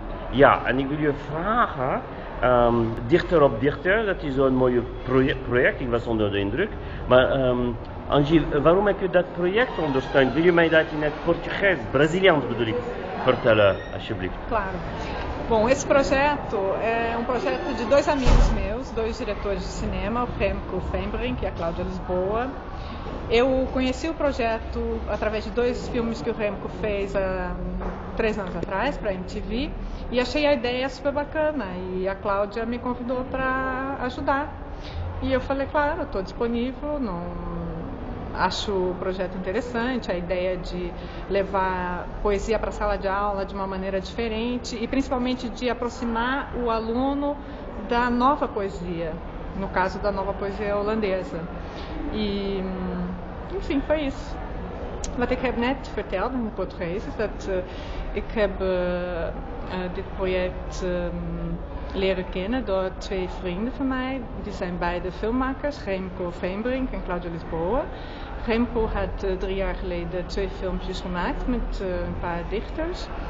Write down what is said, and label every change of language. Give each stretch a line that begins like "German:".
Dutch: Ja, en ik wil je vragen, Dichter op Dichter, dat is zo'n mooi project, ik was onder de indruk. Maar Angie, waarom heb je dat project ondersteund? Wil je mij dat in het Portugees, Braziliaans bedoel ik, vertellen, alsjeblieft?
Portuguese: Claro. Bom, esse projeto é um projeto de dois amigos meus, dois diretores de cinema, o Remco Fembrink e a Cláudia Lisboa. Eu conheci o projeto através de dois filmes que o Remco fez há 3 anos atrás, para a MTV, e achei a ideia super bacana, e a Cláudia me convidou para ajudar. E eu falei, claro, estou disponível, não... acho o projeto interessante, a ideia de levar poesia para a sala de aula de uma maneira diferente, e principalmente de aproximar o aluno da nova poesia, no caso da nova poesia holandesa. E, enfim, foi isso.
Dutch: Wat ik heb net verteld in het Portugees is dat ik heb dit project leren kennen door 2 vrienden van mij. Die zijn beide filmmakers, Remco Fembrink en Cláudia Lisboa. Remco had 3 jaar geleden 2 filmpjes gemaakt met een paar dichters.